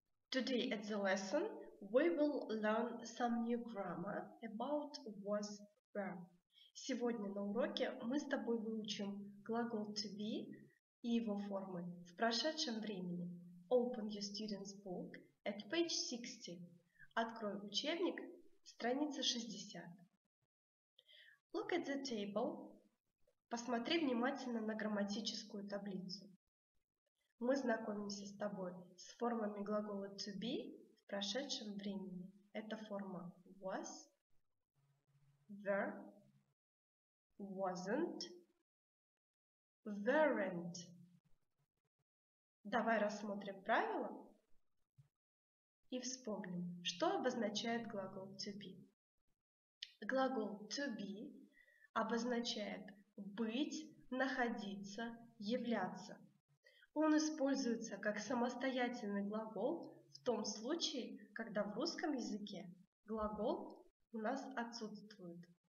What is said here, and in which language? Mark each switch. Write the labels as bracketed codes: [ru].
[en] Today at the lesson, we will learn some new grammar about was, were. [ru] Сегодня на уроке мы с тобой выучим глагол to be и его формы в прошедшем времени. [en] Open your student's book at page 60. [ru] Открой учебник, страница 60. [en] Look at the table. [ru] Посмотри внимательно на грамматическую таблицу. Мы знакомимся с тобой с формами глагола to be в прошедшем времени. Это форма was, were, wasn't, weren't. Давай рассмотрим правила и вспомним, что обозначает глагол to be. Глагол to be обозначает быть, находиться, являться. Он используется как самостоятельный глагол в том случае, когда в русском языке глагол у нас отсутствует.